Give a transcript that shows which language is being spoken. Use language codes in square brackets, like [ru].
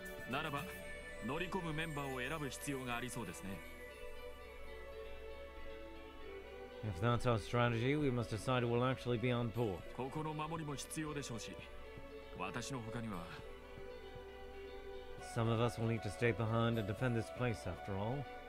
[ja] ならば、乗り込むメンバーを選ぶ必要がありそうですね。 [en] If that's our strategy, we must decide we'll actually be on board. [ja] ここの守りも必要でしょうし、私の他には。 [en] Some of us will need to stay behind and defend this place after all.